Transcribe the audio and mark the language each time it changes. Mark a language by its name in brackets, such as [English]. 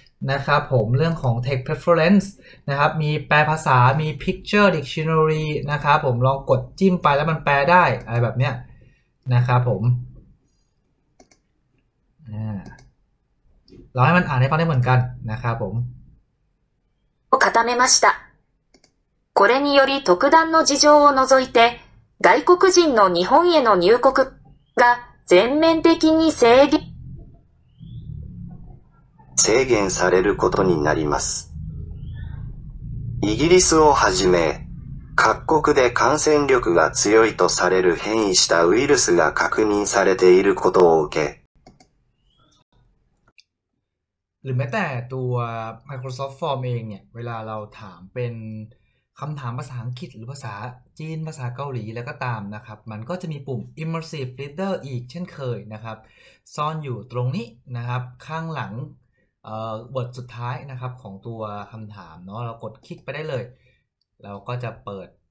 [Thai] นะครับผมเรื่องของ text preference นะครับมีแปลภาษามี picture dictionary นะครับผมลองกดจิ้มไปแล้วมันแปลได้อะไรแบบเนี้ยนะครับผมเราให้มันอ่านให้ฟังได้เหมือนกันนะครับผม [Japanese] を固めました。これにより特段の事情を除いて外国人の日本への入国が全面的に制限されることになります。イギリスをはじめ各国で感染力が強いとされる変異したウイルスが確認されていることを受け [Thai] หรือแม้แต่ตัว Microsoft Form เองเนี่ยเวลาเราถามเป็นคำถามภาษาอังกฤษหรือภาษาจีนภาษาเกาหลีแล้วก็ตามนะครับมันก็จะมีปุ่ม Immersive Reader อีกเช่นเคยนะครับซ่อนอยู่ตรงนี้นะครับข้างหลังบทสุดท้ายนะครับของตัวคำถามเนาะเรากดคลิกไปได้เลยเราก็จะเปิด